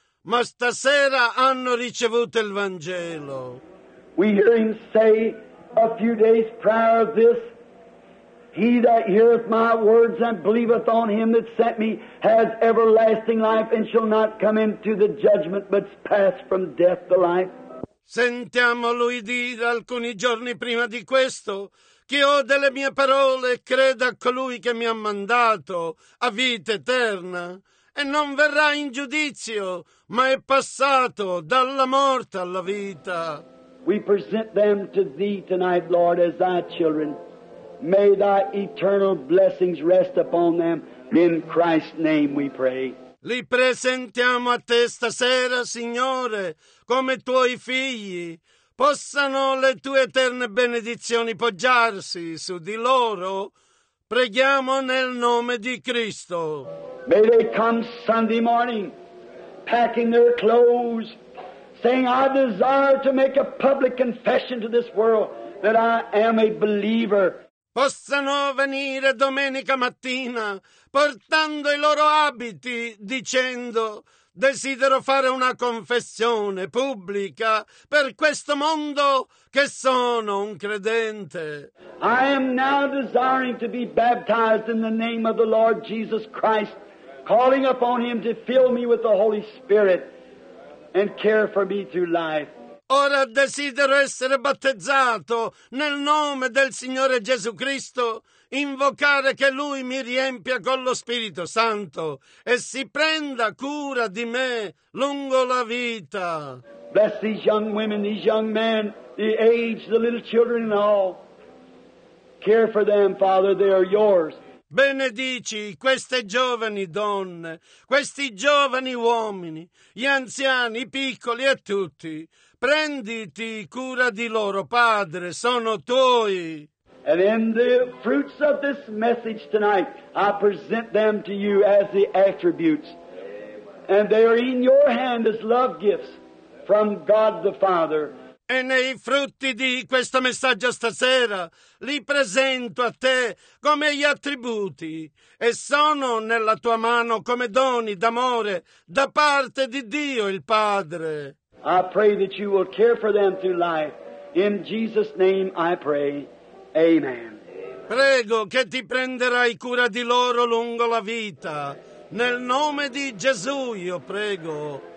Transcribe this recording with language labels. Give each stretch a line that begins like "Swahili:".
Italian: Ma stasera hanno ricevuto il Vangelo.
English: We hear him say a few days prior of this, he that heareth my words and believeth on him that sent me has everlasting life and shall not come into the judgment but pass from death to life.
Italian: Sentiamo lui dire alcuni giorni prima di questo, chi ode le mie parole e creda a colui che mi ha mandato a vita eterna e non verrà in giudizio, ma è passato dalla morte alla vita.
English: We present them to Thee tonight, Lord, as Thy children. May Thy eternal blessings rest upon them. In Christ's name we pray.
Italian: Li presentiamo a Te stasera, Signore, come Tuoi figli. Possano le Tue eterne benedizioni poggiarsi su di loro. Preghiamo nel nome di Cristo.
English: May they come Sunday morning, packing their clothes, saying, I desire to make a public confession to this world that I am a believer.
Italian: Possano venire domenica mattina, portando i loro abiti, dicendo, desidero fare una confessione pubblica per questo mondo che sono un credente.
English: I am now desiring to be baptized in the name of the Lord Jesus Christ, calling upon Him to fill me with the Holy Spirit and care for me through life.
Italian: Ora desidero essere battezzato nel nome del Signore Gesù Cristo, invocare che Lui mi riempia con lo Spirito Santo e si prenda cura di me lungo la vita.
English: Bless these young women, these young men, the age, the little children and all. Care for them, Father, they are yours.
Italian: Benedici queste giovani donne, questi giovani uomini, gli anziani, i piccoli e tutti. Prenditi cura di loro, Padre, sono tuoi.
English: And in the fruits of this message tonight, I present them to you as the attributes. And they are in your hand as love gifts from God the Father.
Italian: E nei frutti di questo messaggio stasera li presento a te come gli attributi e sono nella tua mano come doni d'amore da parte di Dio il Padre.
English: I pray that you will care for them through life. In Jesus' name I pray. Amen.
Italian: Prego che ti prenderai cura di loro lungo la vita. Nel nome di Gesù io prego.